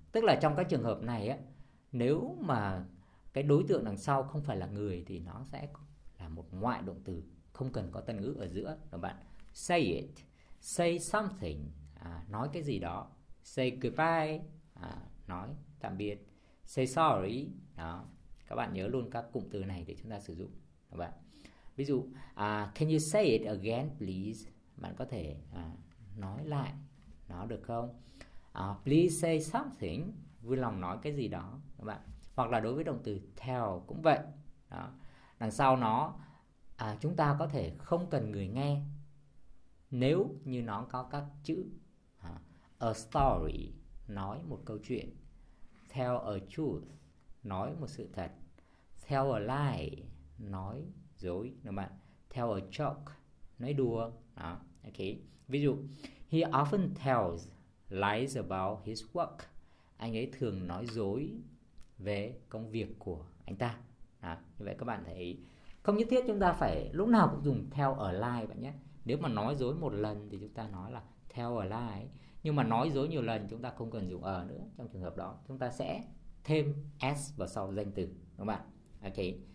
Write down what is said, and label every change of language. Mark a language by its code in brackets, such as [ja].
[vi] Tức là trong các trường hợp này á, nếu mà cái đối tượng đằng sau không phải là người thì nó sẽ là một ngoại động từ, không cần có tân ngữ ở giữa, đúng không bạn? [en] Say it. Say something. [vi] Nói cái gì đó. [en] Say goodbye. [vi] Nói tạm biệt. [en] Say sorry. [vi] Đó. Các bạn nhớ luôn các cụm từ này để chúng ta sử dụng, đúng không bạn? Ví dụ, [en] can you say it again please? [vi] Bạn có thể nói lại nó được không? [en] Please say something, [vi] vui lòng nói cái gì đó, các bạn. Hoặc là đối với động từ tell cũng vậy. Đó. Đằng sau nó chúng ta có thể không cần người nghe nếu như nó có các chữ a story, nói một câu chuyện, tell a truth, nói một sự thật, tell a lie, nói dối, các bạn. Tell a joke, nói đùa. Đó. Okay. Ví dụ, [en] he often tells lies about his work. [vi] Anh ấy thường nói dối về công việc của anh ta. Đó. Như vậy các bạn thấy không nhất thiết chúng ta phải lúc nào cũng dùng tell a lie bạn nhé. Nếu mà nói dối một lần thì chúng ta nói là tell a lie. Nhưng mà nói dối nhiều lần chúng ta không cần dùng a nữa. Trong trường hợp đó chúng ta sẽ thêm s vào sau danh từ, đúng không bạn? Okay.